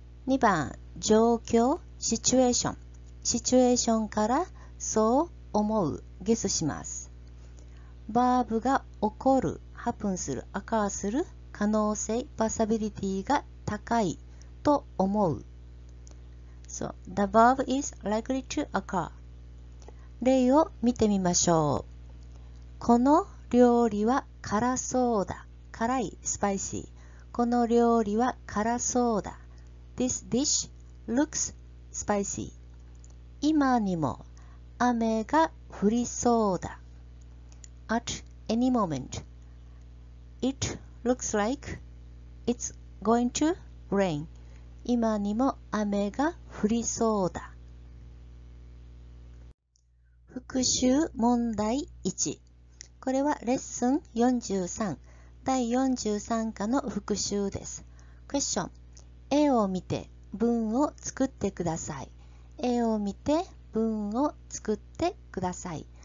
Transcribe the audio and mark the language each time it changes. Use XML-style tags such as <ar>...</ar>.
<ja>2番、状況、シチュエーション、シチュエーションから、そう思う、ゲスします。バーブが起こる、ハプンする、アカーする、可能性、パサビリティが高いと思う。</ja> <en>So, the verb is likely to occur.</en> <ja>例を見てみましょう。この料理は辛そうだ。辛い、スパイシー。この料理は辛そうだ。</ja> <en>This dish looks spicy.</en> <ja>今にも雨が降りそうだ。</ja> <en>At any moment, it looks like it's going to rain.</en> <ja>今にも雨が降りそうだ。復習問題1。これはレッスン43、第43課の復習です。クエスチョン。絵を見て文を作ってください。絵を見て文を作ってください。</ja>